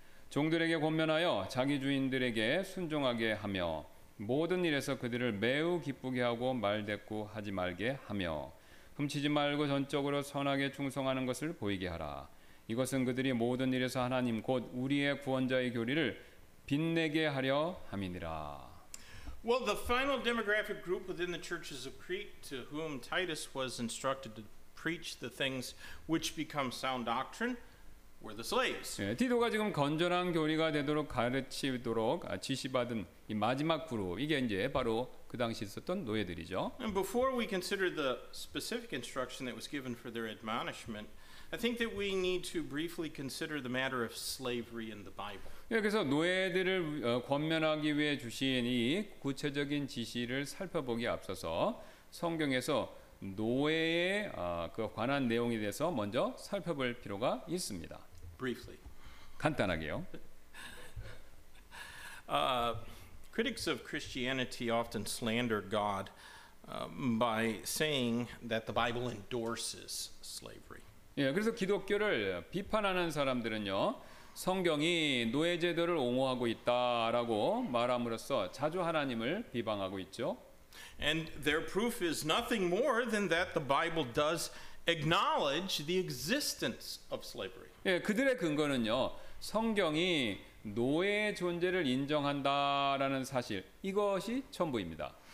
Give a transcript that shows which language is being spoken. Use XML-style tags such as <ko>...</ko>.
<ko>종들에게 권면하여 자기 주인들에게 순종하게 하며 모든 일에서 그들을 매우 기쁘게 하고 말대꾸 하지 말게 하며 훔치지 말고 전적으로 선하게 충성하는 것을 보이게 하라. 이것은 그들이 모든 일에서 하나님 곧 우리의 구원자의 교리를 빛내게 하려 함이니라.</ko> <en>Well, the final demographic group within the churches of Crete to whom Titus was instructed to preach the things which become sound doctrine were the slaves.</en> <ko>예, 디도가 지금 건전한 교리가 되도록 가르치도록 지시받은 이 마지막 그룹 이게 이제 바로 그 당시 있었던 노예들이죠.</ko> <en>And before we consider the specific instruction that was given for their admonishment, I think that we need to briefly consider the matter of slavery in the Bible.</en> <ko>예, 그래서 노예들을 권면하기 위해 주신 이 구체적인 지시를 살펴보기 앞서서 성경에서 노예에 그 관한 내용에 대해서 먼저 살펴볼 필요가 있습니다.</ko> <en>Briefly.</en> <ko>간단하게요.</ko> <en>Critics of Christianity often slander God by saying that the Bible endorses slavery.</en> <ko>예, 그래서 기독교를 비판하는 사람들은요. 성경이 노예 제도를 옹호하고 있다라고 말함으로써 자주 하나님을 비방하고 있죠.</ko> <en>And their proof is nothing more than that the Bible does acknowledge the existence of slavery.</en> <ko>예, 그들의 근거는요. 성경이 노예의 존재를 인정한다라는 사실 이것이 전부입니다.</ko>